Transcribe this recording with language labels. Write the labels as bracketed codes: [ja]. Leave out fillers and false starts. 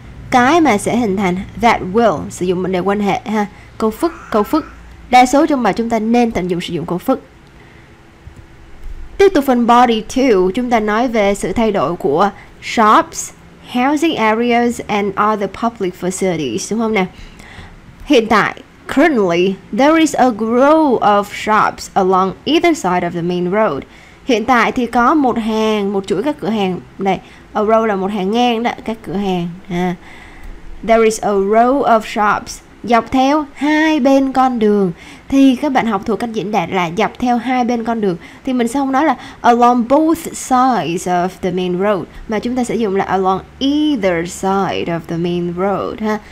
[vi] Cái mà sẽ hình thành [en] that will, [vi] sử dụng mệnh đề quan hệ ha, câu phức. Đa số trong bài chúng ta nên tận dụng sử dụng câu phức. Tiếp tục phần body 2, chúng ta nói về sự thay đổi của [en] shops, housing areas and other public facilities, [vi] đúng không nè? Hiện tại, [en] currently, there is a grow of shops along either side of the main road. [vi] Hiện tại thì có một hàng, một chuỗi các cửa hàng, đây, [en] a row [vi] là một hàng ngang đó, các cửa hàng. [en] There is a row of shops [vi] dọc theo hai bên con đường. Thì các bạn học thuộc cách diễn đạt là dọc theo hai bên con đường, thì mình sẽ không nói là [en] along both sides of the main road, [vi] mà chúng ta sẽ dùng là [en] along either side of the main road [vi] ha.